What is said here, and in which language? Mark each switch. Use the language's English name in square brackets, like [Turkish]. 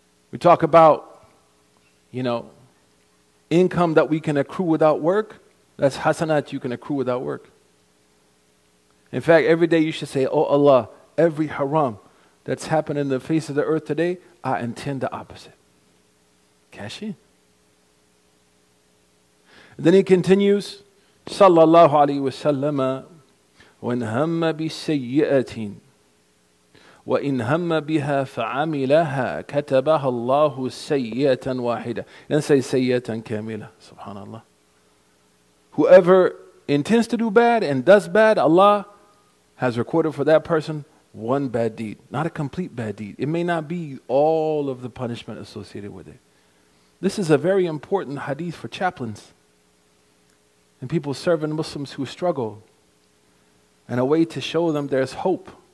[English] We talk about, you know, income that we can accrue without work. That's hasanat you can accrue without work. In fact, every day you should say, oh Allah, every haram that's happened in the face of the earth today, I intend the opposite. Cash in. And then he continues, sallallahu alayhi wa sallama, [Arabic] وَإِنْ هَمَّ بِسَيِّئَةٍ وَإِنْ هَمَّ بِهَا فَعَمِلَهَا كَتَبَهَا اللَّهُ سَيِّئَةً وَاحِدَةً. [English] And say [Arabic] سَيِّئَةً كَامِلَةً. [English] Subhanallah. Whoever intends to do bad and does bad, Allah has recorded for that person one bad deed. Not a complete bad deed. It may not be all of the punishment associated with it. This is a very important hadith for chaplains and people serving Muslims who struggle, and a way to show them there's hope.